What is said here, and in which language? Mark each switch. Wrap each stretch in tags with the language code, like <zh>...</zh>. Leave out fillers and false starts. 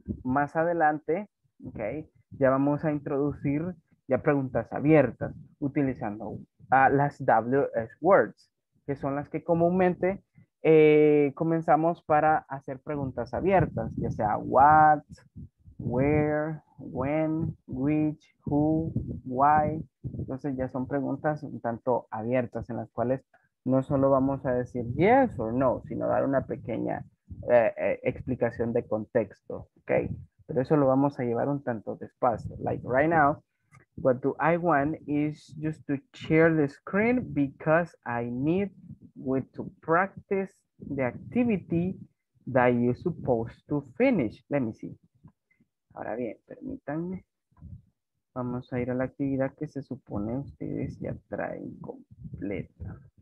<es>Más adelante, okay, ya vamos a introducir ya preguntas abiertas utilizando las WS words, que son las que comúnmente comenzamos para hacer preguntas abiertas, ya sea what, where, when, which, who, why. Entonces ya son preguntas un tanto abiertas en las cuales no solo vamos a decir</es> <en>yes or no,</en> <es>sino dar una pequeña explicación de contexto, okay? Pero eso lo vamos a llevar un tanto despacio.</es> <en>Like right now, what do I want is just to share the screen because I need with to practice the activity that you're supposed to finish. Let me see.</en> <es>Ahora bien, permítanme. Vamos a ir a la actividad que se supone ustedes ya traen completa.</es>